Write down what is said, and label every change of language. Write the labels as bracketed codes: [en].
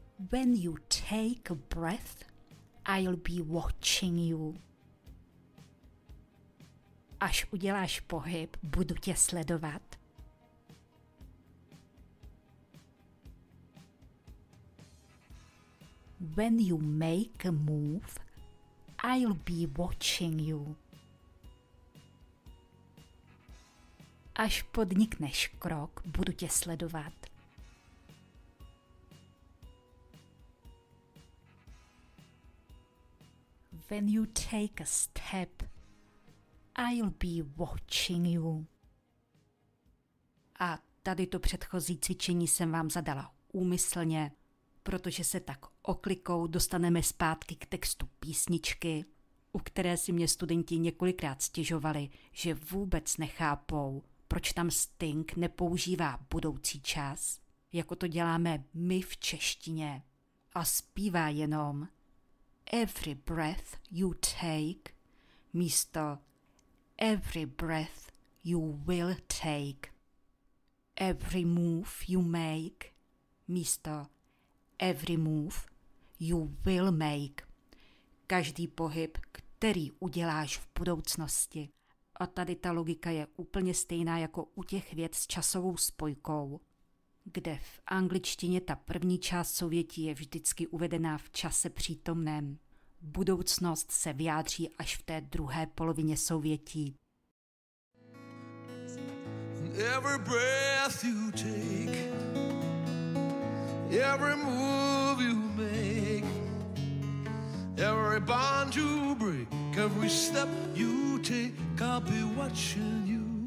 [en] When you take a breath, I'll be watching you. [cs] Až uděláš pohyb, budu tě sledovat. [en] When you make a move, I'll be watching you. [cs] Až podnikneš krok, budu tě sledovat. [en] When you take a step, I'll be watching you. [cs] A tady to předchozí cvičení jsem vám zadala úmyslně, protože se tak oklikou dostaneme zpátky k textu písničky, u které si mě studenti několikrát stěžovali, že vůbec nechápou, proč tam Sting nepoužívá budoucí čas, jako to děláme my v češtině, a zpívá jenom [en] Every breath you take [cs] místo [en] Every breath you will take. Every move you make [cs] místo [en] Every move you will make. [cs] Každý pohyb, který uděláš v budoucnosti. A tady ta logika je úplně stejná jako u těch vět s časovou spojkou, kde v angličtině ta první část souvětí je vždycky uvedená v čase přítomném. Budoucnost se vyjádří až v té druhé polovině souvětí. [en] Every breath you take, every move you make, every bond you break, every step you take, I'll be watching you.